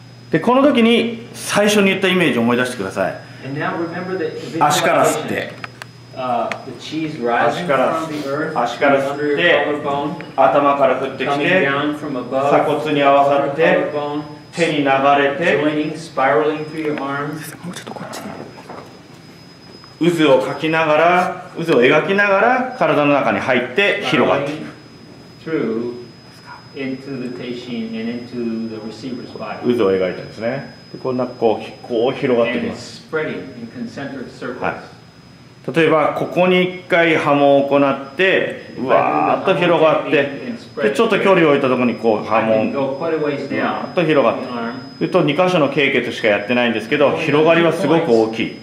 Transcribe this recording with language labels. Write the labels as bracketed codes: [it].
[ja] でこの時に最初に言ったイメージを思い出してください。足から吸って、 [en] the cheese rising from the earth, under the collarbone, [ja] 頭から降ってきて、 [en] coming down from above, [ja] 鎖骨に合わさって、手に流れて、 [en] joining, spiraling through your arms. [ja] もうちょっとこっちに。渦を描きながら、渦を描きながら、体の中に入って広がっていく。 [en] Through into the teshin and into the receiver's body. [ja] 渦を描いてですね。でこんなこう、こう広がっていきます。 [en] And it's spreading in concentric circles. [ja] はい。例えばここに一回波紋を行って、わーっと広がって、でちょっと距離を置いたところにこう波紋、わーっと広がって、すると2箇所の経血しかやってないんですけど、広がりはすごく大きい。